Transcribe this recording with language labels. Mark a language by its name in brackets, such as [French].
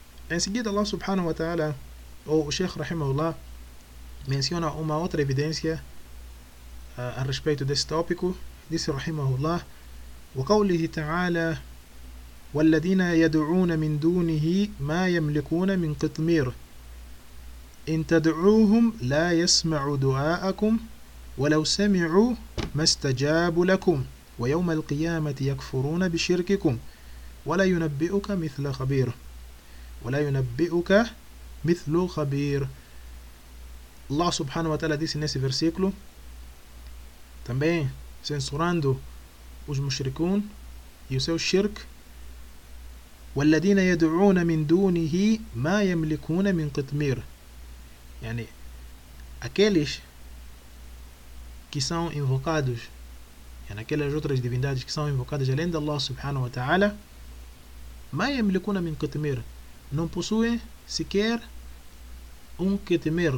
[Portuguese] Em seguida, Allah subhanahu wa ta'ala, ou o Sheikh rahimahullah, menciona uma outra evidência a respeito desse tópico. Disse rahimahullah: [Arabic] وَقَوْلِهِ تَعَالَى وَالَّذِينَ يَدْعُونَ مِن دُونِهِ مَا يَمْلِكُونَ مِن قِطْمِيرٍ إِن تَدْعُوهُمْ لَا يَسْمَعُ دُعَاءَكُمْ ولو سمعوا ما استجابوا لكم ويوم القيامة يكفرون بشرككم ولا ينبئك مثل خبير ولا ينبئك مثل خبير. الله سبحانه وتعالى [Portuguese] disse nesse versículo também censurando os mushrikun e o seu shirk: [Arabic] والذين يدعون من دونه ما يملكون من قطمير. [Portuguese] يعني aqueles que são invocados, e naquelas outras divindades que são invocadas além de Allah subhanahu wa ta'ala, [Arabic] ma yamlikuna min kitmir, [Portuguese] não possuem sequer um kitmir.